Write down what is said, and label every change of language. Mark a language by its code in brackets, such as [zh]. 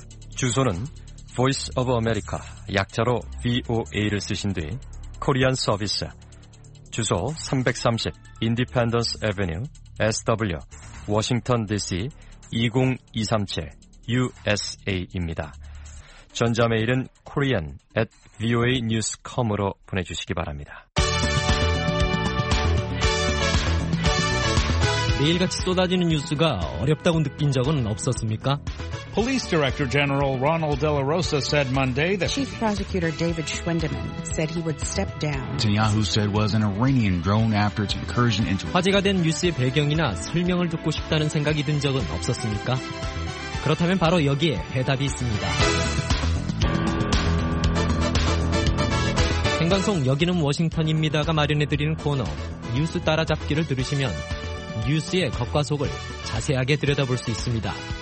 [ko] 주소는 Voice of America, 약자로 VOA를 쓰신 뒤 Korean Service, 주소 330 Independence Avenue, SW, Washington DC, 20237 USA입니다. 전자메일은 korean@voanews.com으로 보내주시기 바랍니다. 매일같이 쏟아지는 뉴스가 어렵다고 느낀 적은 없었습니까? [en] Police Director General Ronald De La Rosa said Monday that Chief Prosecutor David Schwindeman said he would step down. Netanyahu said was an Iranian drone after its incursion into [ko] 화제가 된 뉴스의 배경이나 설명을 듣고 싶다는 생각이 든 적은 없었습니까? 그렇다면 바로 여기에 해답이 있습니다. 생방송 여기는 워싱턴입니다가 마련해드리는 코너 뉴스 따라잡기를 들으시면 뉴스의 겉과 속을 자세하게 들여다볼 수 있습니다.